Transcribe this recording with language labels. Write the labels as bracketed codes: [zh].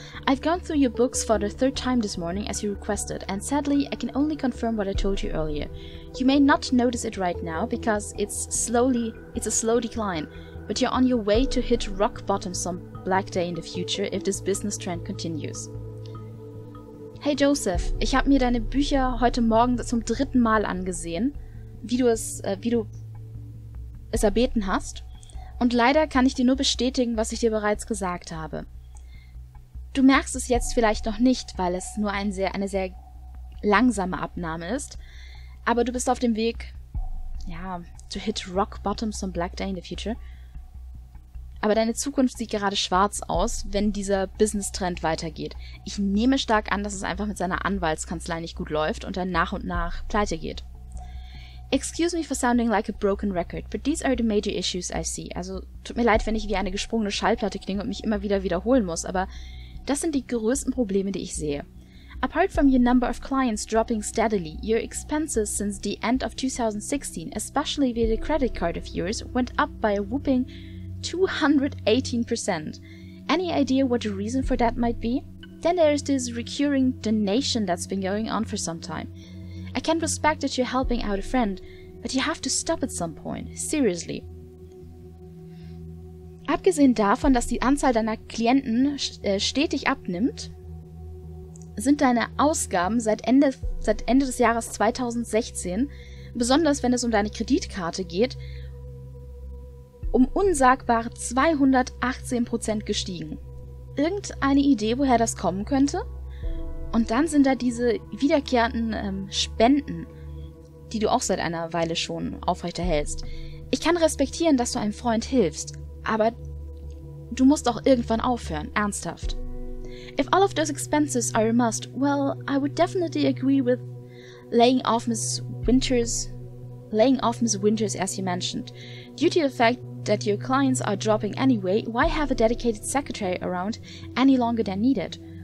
[en] I've gone through your books for the third time this morning as you requested, and sadly, I can only confirm what I told you earlier. You may not notice it right now, because it's a slow decline, but you're on your way to hit rock bottom some black day in the future if this business trend continues. [de] Hey Joseph, ich habe mir deine Bücher heute Morgen zum dritten Mal angesehen, wie du es erbeten hast, und leider kann ich dir nur bestätigen, was ich dir bereits gesagt habe. Du merkst es jetzt vielleicht noch nicht, weil es nur eine sehr langsame Abnahme ist, aber du bist auf dem Weg, [en] to hit rock bottom some black day in the future. [de] Aber deine Zukunft sieht gerade schwarz aus, wenn dieser Business-Trend weitergeht. Ich nehme stark an, dass es einfach mit seiner Anwaltskanzlei nicht gut läuft und dann nach und nach pleite geht. [en] Excuse me for sounding like a broken record, but these are the major issues I see. [de] Also tut mir leid, wenn ich wie eine gesprungene Schallplatte klinge und mich immer wieder wiederholen muss, aber das sind die größten Probleme, die ich sehe. [en] Apart from your number of clients dropping steadily, your expenses since the end of 2016, especially via the credit card of yours, went up by a whooping 218%. Any idea what the reason for that might be? Then there's this recurring donation that's been going on for some time. I can respect that you're helping out a friend, but you have to stop at some point. Seriously. [de] Abgesehen davon, dass die Anzahl deiner Klienten stetig abnimmt, sind deine Ausgaben seit Ende des Jahres 2016, besonders wenn es um deine Kreditkarte geht, um unsagbare 218% gestiegen. Irgendeine Idee, woher das kommen könnte? Und dann sind da diese wiederkehrenden Spenden, die du auch seit einer Weile schon aufrechterhältst. Ich kann respektieren, dass du einem Freund hilfst, aber du musst auch irgendwann aufhören, ernsthaft. [en] If all of those expenses are a must, well, I would definitely agree with laying off Miss Winters, as you mentioned. Due to the fact that your clients are dropping anyway, why have a dedicated secretary around any longer than needed?